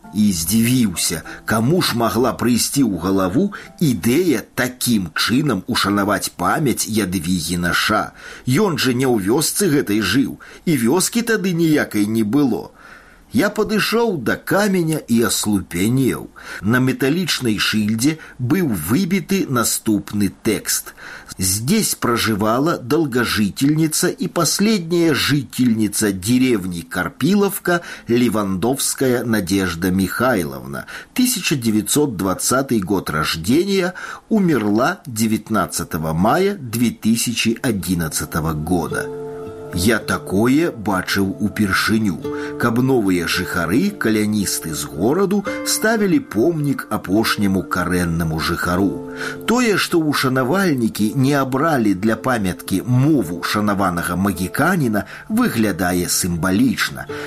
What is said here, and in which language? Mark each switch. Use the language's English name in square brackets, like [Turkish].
[Belarusian] І здзівіўся, каму ж магла прыйсці ў галаву ідэя такім чынам ушанаваць памяць Ядвігіна ша. Ён жа не ў вёсцы гэтай жыў, і вёскі тады ніякай не было. Я падышоў да каменя і аслупянеў. На металічнай шыльдзе быў выбіты наступны тэкст. [Russian] Здесь проживала долгожительница и последняя жительница деревни Карпиловка Левандовская Надежда Михайловна, 1920 год рождения, умерла 19 мая 2011 года. [Belarusian] Я такое бачыў упершыню, каб новыя жыхары, каляністы з гораду, ставілі помнік апошняму карэннаму жыхару. Тое, што ўшанавальнікі не абралі для памяткі мову шанаванага магіканіна, выглядае сімвалічна.